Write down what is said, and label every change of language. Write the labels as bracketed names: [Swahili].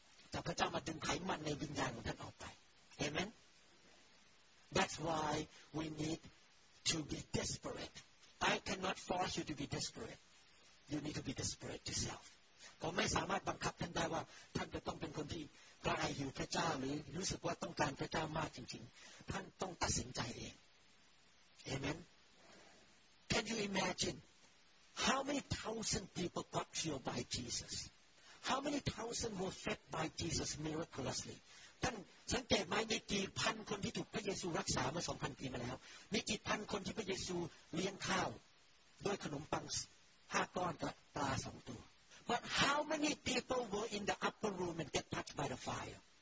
[Thai] แต่พระเจ้ามาดึงไขมันในวิญญาณของท่านออกไป [English] Amen That's why we need to be desperate I cannot force you to be desperate You need to be desperate yourself [Thai] ผมไม่สามารถบังคับท่านได้ว่าท่านจะต้องเป็นคนที่กล้าอยู่พระเจ้าหรือรู้สึกว่าต้องการพระเจ้ามากจริงๆท่านต้องตัดสินใจเอง [English] Amen Can you imagineHow many thousand people got healed by Jesus? How many thousand were fed by Jesus miraculously? [Thai] ท่านสังเกตไหมมีกี่พันคนที่ถูกพระเยซูรักษามา 2,000 ปีมาแล้วมีกี่พันคนที่พระเยซูเลี้ยงข้าวด้วยขนมปัง5ก้อนกับปลา2ตัว [English] But how many people were in the upper room and get touched by the fire?